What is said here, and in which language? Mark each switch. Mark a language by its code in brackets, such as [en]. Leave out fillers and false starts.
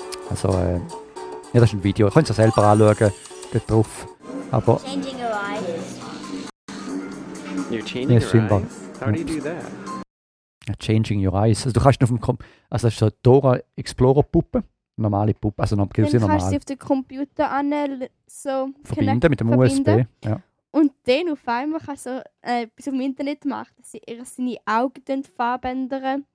[de] Also, ja, das ist ein Video. Ihr könnt es selber anschauen. Geht drauf. Aber. [en] Changing your eyes. You're changing your eyes. How do you do that? Changing your eyes. [de] Also, du kannst auf dem Computer. Also, das ist so eine Dora Explorer Puppe. Normale Puppe. Also, dann kannst du sie auf den Computer an. So verbinden connect, mit dem verbinden. USB. Ja. Und dann auf einmal kannst du bis auf dem Internet machen, dass sie ihre seine Augen verändern.